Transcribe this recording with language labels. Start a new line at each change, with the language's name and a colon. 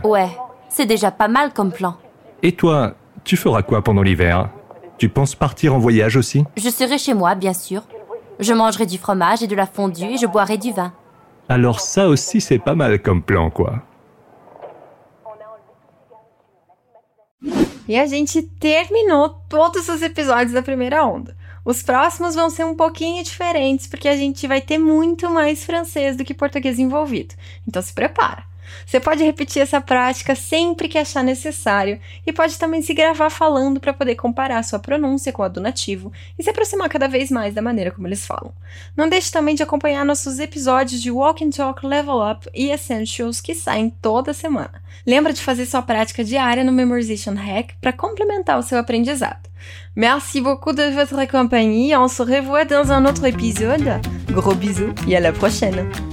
French: Ouais, c'est déjà pas mal comme plan. Et toi, tu feras quoi pendant l'hiver? Tu penses partir en voyage aussi? Je serai chez moi, bien sûr. Je mangerai du fromage et de la fondue et je boirai du vin. Alors ça aussi, c'est pas mal comme plan, quoi.
Portuguese: E a gente terminou todos os episódios da primeira onda. Os próximos vão ser um pouquinho diferentes, porque a gente vai ter muito mais francês do que português envolvido. Então se prepara. Você pode repetir essa prática sempre que achar necessário e pode também se gravar falando para poder comparar sua pronúncia com a do nativo e se aproximar cada vez mais da maneira como eles falam. Não deixe também de acompanhar nossos episódios de Walk and Talk, Level Up e Essentials que saem toda semana. Lembra de fazer sua prática diária no Memorization Hack para complementar o seu aprendizado.
French: Merci beaucoup de votre compagnie. On se revoit dans un autre épisode. Gros bisous et à la prochaine!